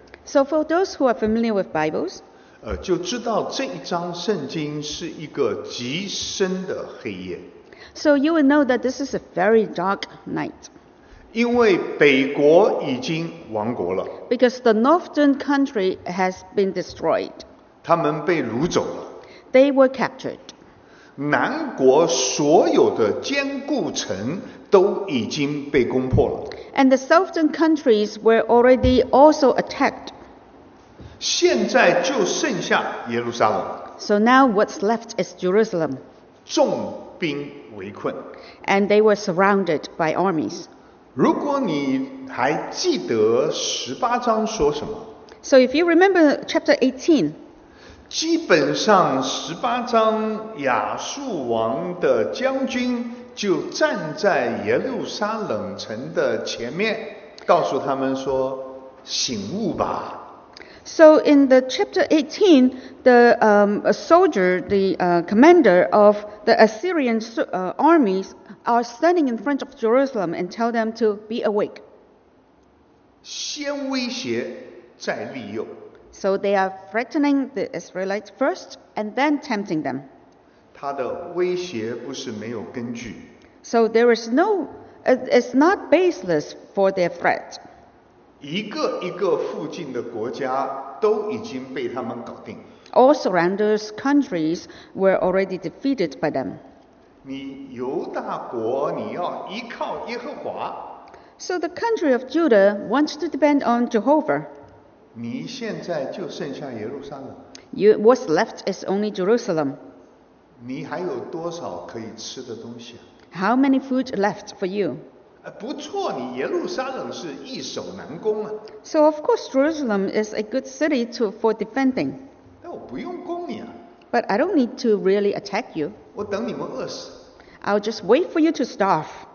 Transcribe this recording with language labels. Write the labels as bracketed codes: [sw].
[en] so for those who are familiar with Bibles, [zh] 就知道这一章圣经是一个极深的黑夜, [en] so you will know that this is a very dark night. [zh] 因为北国已经亡国了, [en] because the northern country has been destroyed. [zh] 他们被掳走了, [en] they were captured. [zh] 南国所有的坚固城, [en] and the southern countries were already also attacked. [zh] 现在就剩下耶路撒冷, [en] So now what's left is Jerusalem. [zh] 重兵围困。 [en] And they were surrounded by armies. [zh] 如果你还记得十八章说什么？ [en] So if you remember chapter 18, [zh] 基本上十八章亚述王的将军就站在耶路撒冷城的前面，告诉他们说：“醒悟吧。” [en] So in the chapter 18, the soldier, the commander of the Assyrian armies are standing in front of Jerusalem and tell them to be awake. [zh] 先威胁。再利诱。 [en] So they are threatening the Israelites first and then tempting them. [zh] 他的威胁不是没有根据。 [en] So there is no, it's not baseless for their threat. [zh] 一个一个附近的国家都已经被他们搞定。 [en] All surrounding countries were already defeated by them. [zh] 你犹大国，你要依靠耶和华。 [en] So the country of Judah wants to depend on Jehovah. [zh] 你现在就剩下耶路撒冷。 [en] You, what's left is only Jerusalem. [zh] 你还有多少可以吃的东西啊？ [en] How many food left for you? [zh] 不错，你耶路撒冷是易守难攻啊。 [en] So of course Jerusalem is a good city to, for defending. [zh] 但我不用攻你啊。 [en] But I don't need to really attack you. [zh] 我等你们饿死。 [en] I'll just wait for you to starve.